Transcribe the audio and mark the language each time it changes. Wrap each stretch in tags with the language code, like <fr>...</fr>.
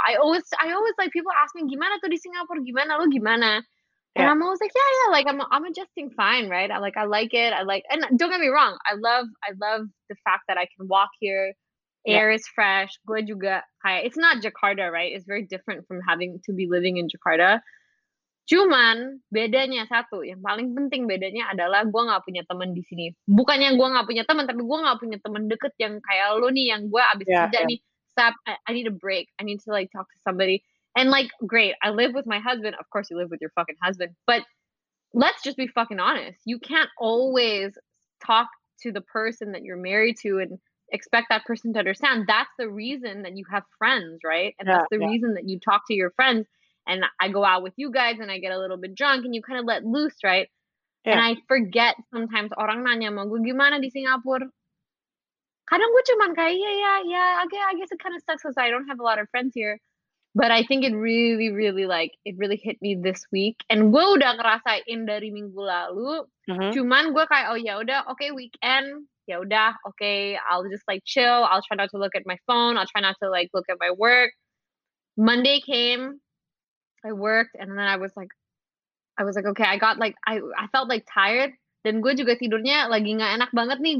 <en>I always like, people ask me,</en> <id>gimana tuh di Singapore? Gimana lo? Gimana?</id> <en>Yeah. And I'm always like, yeah, like, I'm adjusting fine, right? I like it. I like, and don't get me wrong, I love the fact that I can walk here. Air is fresh.</en> <id>Gua juga kayak,</id> <en>it's not Jakarta, right? It's very different from having to be living in Jakarta.</en> <id>Cuman bedanya satu, yang paling penting bedanya adalah gua nggak punya teman di sini. Bukannya gua nggak punya teman, tapi gua nggak punya teman deket yang kayak lo nih, yang gua abis kerja nih,</id> <en>stop, I need a break, I need to like talk to somebody. And like, great, I live with my husband. Of course, you live with your fucking husband, but let's just be fucking honest. You can't always talk to the person that you're married to and expect that person to understand. That's the reason that you have friends, right? And that's the reason that you talk to your friends. And I go out with you guys and I get a little bit drunk and you kind of let loose, right? Yeah. And I forget sometimes,</en> <id>orang nanya sama gue, gimana di Singapura? Kadang gue cuman kayak,</id> <en>okay, I guess it kind of sucks because I don't have a lot of friends here. But I think it really, really, like, it really hit me this week.</en> <id>And gue udah ngerasain dari minggu lalu.</id> <en>Mm-hmm.</en> <id>Cuman gue kayak, oh yaudah,</id> <en>okay, weekend.</en> <id>Yaudah,</id> <en>okay, I'll just, like, chill. I'll try not to look at my phone. I'll try not to, like, look at my work. Monday came. I worked. And then I was like, okay, I got, like, I felt, like, tired.</en> <id>Dan gue juga tidurnya lagi gak enak banget nih.</id>